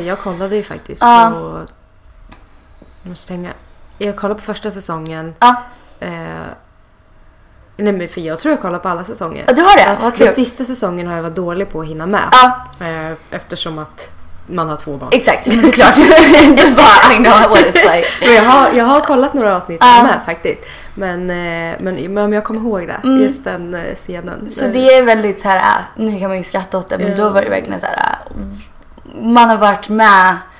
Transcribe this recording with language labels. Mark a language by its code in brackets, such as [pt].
[sv] Jag kollade ju faktiskt på, jag måste tänka, jag kollade på första säsongen. Nej, men för jag tror jag kollar på alla säsonger. Du har det? Okay. Den sista säsongen har jag varit dålig på att hinna med. Eftersom att man har två barn. Exakt, klart. Det var, [en] I know what it's like. [sv] Jag har kollat några avsnitt med faktiskt. Men om jag kommer ihåg det, just den scenen. Så det är väldigt så här, nu kan man ju skratta åt det, men då var det verkligen så här, man har varit med.